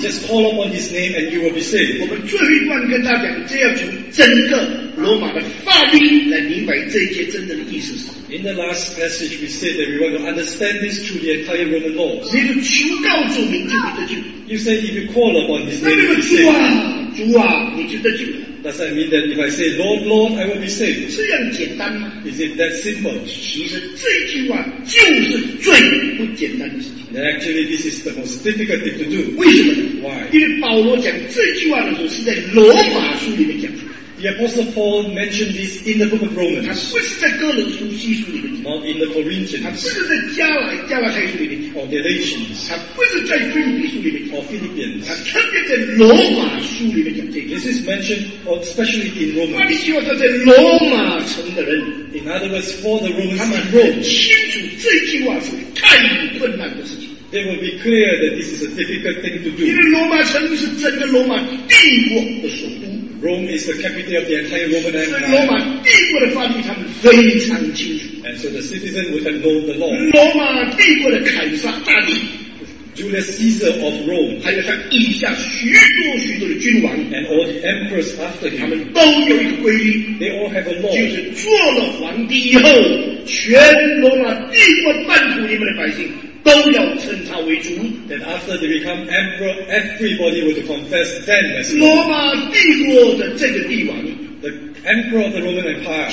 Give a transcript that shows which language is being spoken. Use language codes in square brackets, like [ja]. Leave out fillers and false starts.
[en] Just call upon his name and you will be saved. [zh] 我们最后一段跟大家讲，这样从整个罗马的法律来明白这一节真正的意思是什么。 [en] In the last passage, we said that we want to understand this through the entire Roman law. [zh] 你就求告主名就得救。 [en] You say if you call upon his name, you will be saved. [zh] 主啊，你就得救了。 [en] Does that mean that if I say Lord, Lord, I will be saved? [zh] 这样简单吗？ [en] Is it that simple? [zh] 其实这句话就是最不简单的事情。 [en] And actually, this is the most difficult thing to do. [zh] 为什么呢？ [en] Why? [zh] 因为保罗讲这句话的时候是在罗马书里面讲出来。 [en] The The Apostle Paul mentioned this in the book of Romans. [zh] 不是在哥伦书书里面, [en] in the Corinthians. [zh] 不是在加拉太书里面, [en] or Galatians. [zh] 不是在菲律宾书里面, [en] or Philippians. [zh] 特别在罗马书里面, [en] this is mentioned especially in Romans. [zh] 关于说在罗马城的人, [en] in other words, for the Romans, [zh] 他们很清楚这句话是太困难的事情。 [en] It will be clear that this is a difficult thing to do. [zh] 因为罗马城是整个罗马帝国的首都。 [en] Rome is the capital of the entire Roman Empire. [zh] 所以罗马帝国的法律他们非常清楚。 [en] And so the citizen would have known the law. [zh] 罗马帝国的凯撒大帝, [en] Julius Caesar of Rome, [zh] 还有他以下许多许多的君王, [en] and all the emperors after him, [zh] 他们都有一个规定, [en] they all have a law. [zh] 就是做了皇帝以后, 全罗马帝国半途里面的百姓, 都要称他为主, [en] then after they become emperor, everybody would confess them as well. [zh] 罗马帝国的这个帝王, [en] the emperor of the Roman Empire,